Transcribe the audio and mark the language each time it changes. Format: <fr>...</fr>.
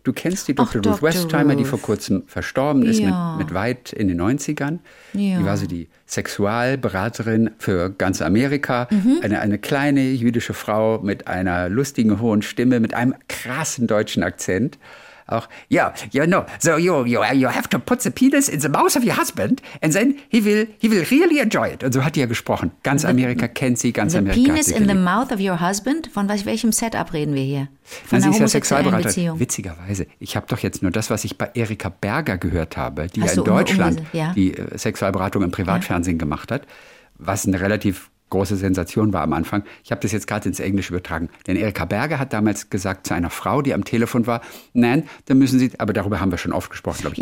<de>Du kennst die Dr. Ruth Westheimer, die vor kurzem verstorben ist, mit weit in den 90ern. Ja. Die war so die Sexualberaterin für ganz Amerika. Mhm. Eine kleine jüdische Frau mit einer lustigen, hohen Stimme, mit einem krassen deutschen Akzent.</de> <en>Auch, ja, you know, so you have to put the penis in the mouth of your husband and then he will really enjoy it. Und so hat die ja gesprochen.</en> <de>Ganz Amerika kennt sie, ganz Amerika.</de> <en>The penis in the mouth of your husband?</en> <de>Von welchem Setup reden wir hier? Von einer homosexuellen Beziehung. Witzigerweise, ich habe doch jetzt nur das, was ich bei Erika Berger gehört habe, die ja in Deutschland die Sexualberatung im Privatfernsehen gemacht hat, was eine relativ große Sensation war am Anfang. Ich habe das jetzt gerade ins Englische übertragen. Denn Erika Berger hat damals gesagt zu einer Frau, die am Telefon war, nein, dann müssen Sie, aber darüber haben wir schon oft gesprochen, glaube ich.</de>